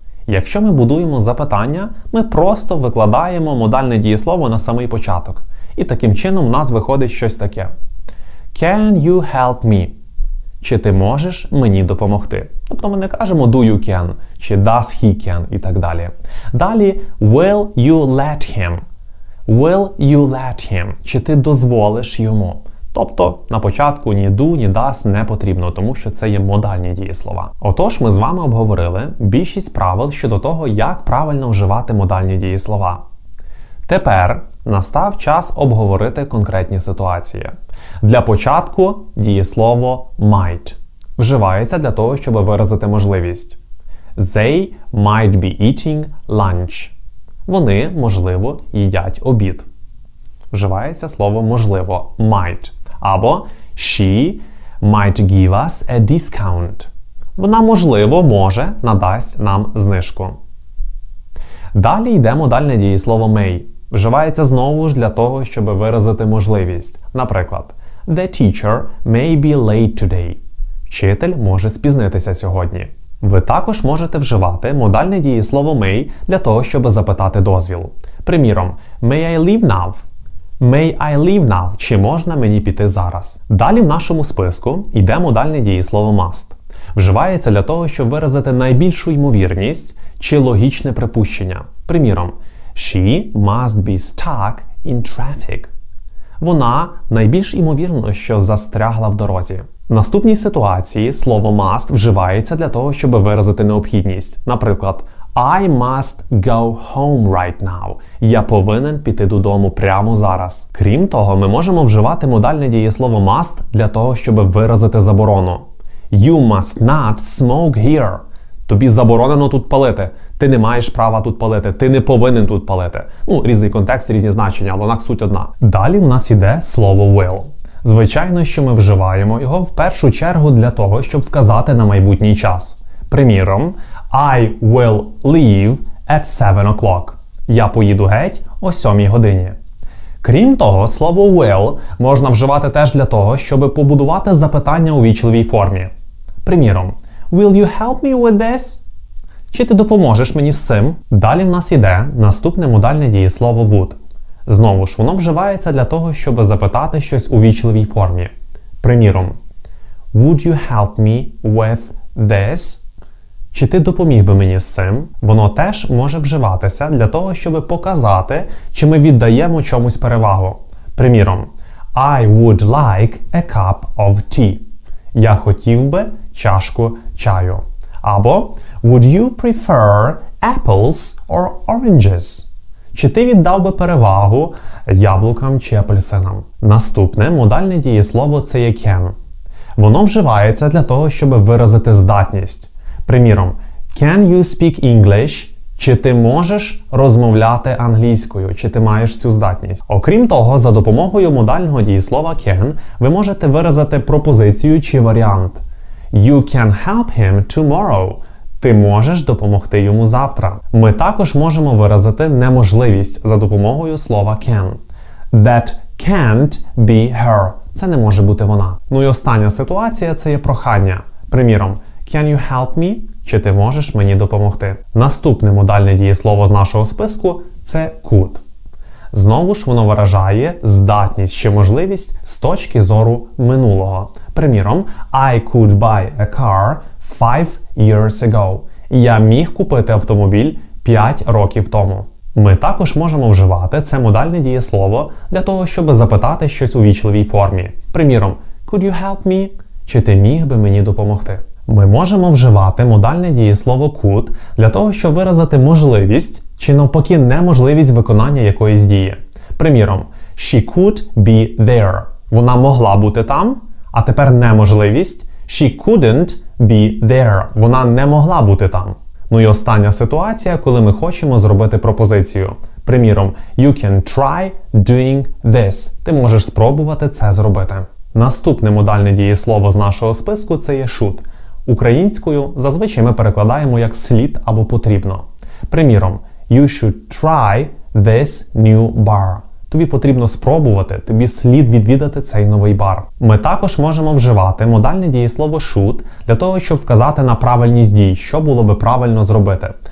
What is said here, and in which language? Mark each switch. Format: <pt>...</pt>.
<uk>Якщо ми будуємо запитання, ми просто викладаємо модальне дієслово на самий початок. І таким чином в нас виходить щось таке.</uk> <en>Can you help me?</en> <uk>Чи ти можеш мені допомогти? Тобто ми не кажемо</uk> <en>do you can,</en> <uk>чи</uk> <en>does he can,</en> <uk>і так далі. Далі,</uk> <en>will you let him? Will you let him?</en> <uk>Чи ти дозволиш йому? Тобто на початку ні do, ні does не потрібно, тому що це є модальні дієслова. Отож, ми з вами обговорили більшість правил щодо того, як правильно вживати модальні дієслова. Тепер настав час обговорити конкретні ситуації. Для початку дієслово might вживається для того, щоб виразити можливість.</uk> <en>They might be eating lunch.</en> <uk>Вони, можливо, їдять обід. Вживається слово можливо might. Або</uk> <en>she might give us a discount.</en> <uk>Вона, можливо, може надасть нам знижку. Далі йде модальне дієслово may. Вживається знову ж для того, щоб виразити можливість. Наприклад,</uk> <en>the teacher may be late today.</en> <uk>Вчитель може спізнитися сьогодні. Ви також можете вживати модальне дієслово may для того, щоб запитати дозвіл. Приміром,</uk> <en>may I leave now? May I leave now?</en> <uk>Чи можна мені піти зараз? Далі в нашому списку йде модальне дієслово must. Вживається для того, щоб виразити найбільшу ймовірність чи логічне припущення. Приміром,</uk> <en>she must be stuck in traffic.</en> <uk>Вона найбільш імовірно, що застрягла в дорозі. В наступній ситуації слово must вживається для того, щоб виразити необхідність. Наприклад,</uk> <en>I must go home right now.</en> <uk>Я повинен піти додому прямо зараз. Крім того, ми можемо вживати модальне дієслово must для того, щоб виразити заборону.</uk> <en>You must not smoke here.</en> <uk>Тобі заборонено тут палити. Ти не маєш права тут палити. Ти не повинен тут палити. Ну, різний контекст, різні значення, але суть одна. Далі в нас іде слово will. Звичайно, що ми вживаємо його в першу чергу для того, щоб вказати на майбутній час. Приміром,</uk> <en>I will leave at 7 o'clock.</en> <uk>Я поїду геть о 7 годині. Крім того, слово will можна вживати теж для того, щоб побудувати запитання у вічливій формі. Приміром,</uk> <en>will you help me with this?</en> <uk>Чи ти допоможеш мені з цим? Далі в нас іде наступне модальне дієслово would. Знову ж, воно вживається для того, щоб запитати щось у вічливій формі. Приміром,</uk> <en>would you help me with this?</en> <uk>Чи ти допоміг би мені з цим? Воно теж може вживатися для того, щоб показати, чи ми віддаємо чомусь перевагу. Приміром,</uk> <en>I would like a cup of tea.</en> <uk>Я хотів би чашку чаю. Або,</uk> <en>would you prefer apples or oranges?</en> <uk>Чи ти віддав би перевагу яблукам чи апельсинам? Наступне модальне дієслово – це є can. Воно вживається для того, щоб виразити здатність. Приміром,</uk> <en>can you speak English?</en> <uk>Чи ти можеш розмовляти англійською? Чи ти маєш цю здатність? Окрім того, за допомогою модального дієслова can, ви можете виразити пропозицію чи варіант.</uk> <en>You can help him tomorrow.</en> <uk>Ти можеш допомогти йому завтра. Ми також можемо виразити неможливість за допомогою слова can.</uk> <en>That can't be her.</en> <uk>Це не може бути вона. Ну і остання ситуація – це є прохання. Приміром,</uk> <en>can you help me?</en> <uk>Чи ти можеш мені допомогти? Наступне модальне дієслово з нашого списку – це could. Знову ж, воно виражає здатність чи можливість з точки зору минулого. Приміром,</uk> <en>I could buy a car 5 years ago.</en> <uk>Я міг купити автомобіль 5 років тому. Ми також можемо вживати це модальне дієслово для того, щоб запитати щось у ввічливій формі. Приміром,</uk> <en>could you help me?</en> <uk>Чи ти міг би мені допомогти? Ми можемо вживати модальне дієслово could для того, щоб виразити можливість чи навпаки неможливість виконання якоїсь дії. Приміром,</uk> <en>she could be there.</en> <uk>Вона могла бути там, а тепер неможливість.</uk> <en>She couldn't be there.</en> <uk>Вона не могла бути там. Ну і остання ситуація, коли ми хочемо зробити пропозицію. Приміром,</uk> <en>you can try doing this.</en> <uk>Ти можеш спробувати це зробити. Наступне модальне дієслово з нашого списку – це є should. Українською зазвичай ми перекладаємо як слід або потрібно. Приміром,</uk> <en>you should try this new bar.</en> <uk>Тобі потрібно спробувати, тобі слід відвідати цей новий бар. Ми також можемо вживати модальне дієслово should для того, щоб вказати на правильність дій, що було би правильно зробити.</uk>